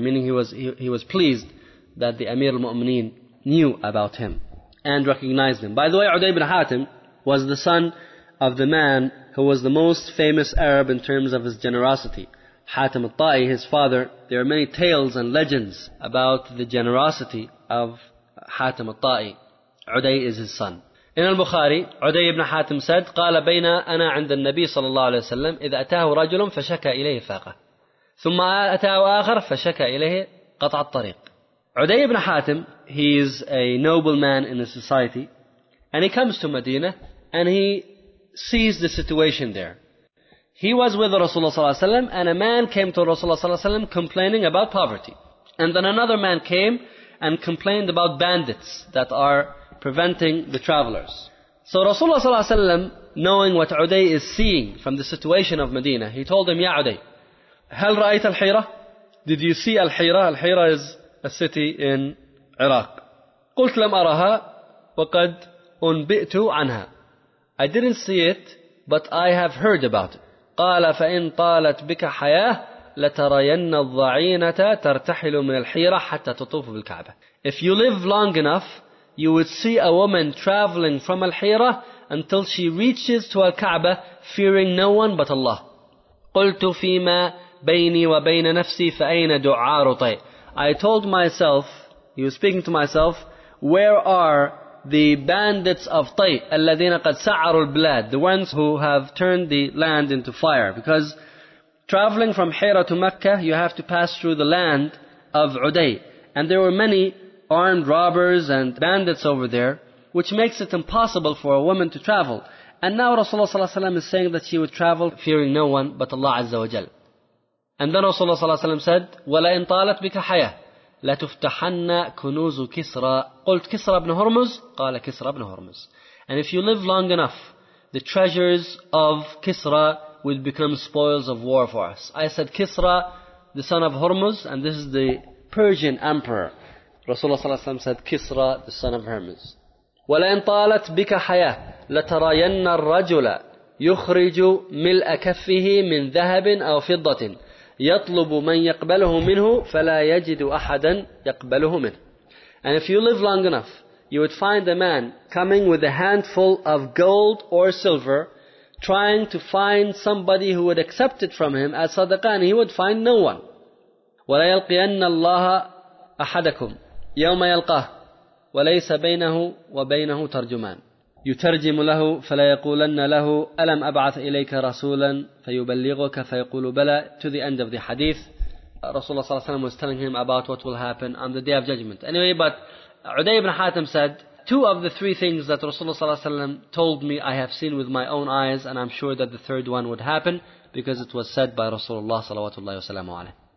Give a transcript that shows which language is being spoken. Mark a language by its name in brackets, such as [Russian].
[English] Meaning he was pleased that the Amir al-Mu'mineen knew about him and recognized him. By the way, Uday ibn Hatim was the son of the man who was the most famous Arab in terms of his generosity. Hatim al-Ta'i, his father, there are many tales and legends about the generosity of Hatim al-Ta'i. Uday is his son. In al-Bukhari, Uday ibn Hatim said, [Arabic] قَالَ بَيْنَا أَنَا عِنْدَ النَّبِي صلى الله عليه وسلم إِذْ أَتَاهُ رَجُلٌ فَشَكَى إِلَيْهِ فَاقَهُ ثُمَّ أَتَاهُ آخَرَ فَشَكَى إِلَيْهِ قَطْعَ الطَّرِيقِ. [English] Uday ibn Hatim, he is a noble man in the society, and he comes to Medina, and he sees the situation there. He was with Rasulullah صلى الله عليه وسلم, and a man came to Rasulullah صلى الله عليه وسلم complaining about poverty. And then another man came and complained about bandits that are preventing the travelers. So Rasulullah صلى الله عليه وسلم, knowing what Uday is seeing from the situation of Medina, he told him, Ya Uday, [Arabic] هل رأيت الحيرة? [English] Did you see الحيرة? الحيرة is a city in Iraq. [Arabic] قلت لم أرها وقد أنبئت عنها. [English] I didn't see it, but I have heard about it. [Arabic] قال فإن طالت بك حياة لترين الضعينة ترتحل من الحيرة حتى تطوف بالكعبة. [English] If you live long enough, you would see a woman traveling from Al-Hira until she reaches to Al-Kaaba, fearing no one but Allah. [Arabic] قلت فيما بيني وبين نفسي فأين دعار طي. [English] I told myself, he was speaking to myself, where are the bandits of Tay, [Arabic] الذين قد سعروا البلاد, [English] the ones who have turned the land into fire. Because traveling from Hira to Mecca, you have to pass through the land of Uday. And there were many armed robbers and bandits over there, which makes it impossible for a woman to travel. And now Rasulullah ﷺ is saying that she would travel fearing no one but Allah Azza wa Jal. And then Rasulullah ﷺ said, [Arabic] وَلَئِنْ طَالَتْ بِكَ حَيَةٌ لَتُفْتَحَنَّ كُنُوزُ كِسْرَى. قُلْتْ كِسْرَى بْنُ هُرْمُزْ. قَالَ كِسْرَى بْنُ هُرْمُزْ. [English] And if you live long enough, the treasures of Kisra will become spoils of war for us. I said, Kisra, the son of Hormuz, and this is the Persian emperor. Rasulullah ﷺ said, Kisra, the son of Hermes. [Arabic] وَلَئِنْ طَالَتْ بِكَ حَيَةٌ لَتَرَيَنَّ الرَّجُلَ يُخْرِجُ مِلْأَ كَفِّهِ مِنْ ذَهَبٍ أَوْ فِضَّةٍ يَطْلُبُ مَنْ يَقْبَلُهُ مِنْهُ فَلَا يَجِدُ أَحَدًا يَقْبَلُهُ مِنْهُ. [English] And if you live long enough, you would find a man coming with a handful of gold or silver, trying to find somebody who would accept it from him as sadaqah, and he would find no one. [Arabic] وَلَيَلْقِيَنَّ اللَّهَ أحدكم يوم يلقاه وليس بينه وبينه ترجمان يترجم له فلا يقولن له ألم أبعث إليك رسولا فيبلغك فيقول بلى. [English] To the end of the hadith, Rasulullah صلى الله عليه وسلم was telling him about what will happen on the day of judgment. Anyway, but Uday ibn Hatim said, two of the three things that Rasulullah صلى الله عليه وسلم told me I have seen with my own eyes, and I'm sure that the third one would happen because it was said by Rasulullah صلى الله عليه وسلم.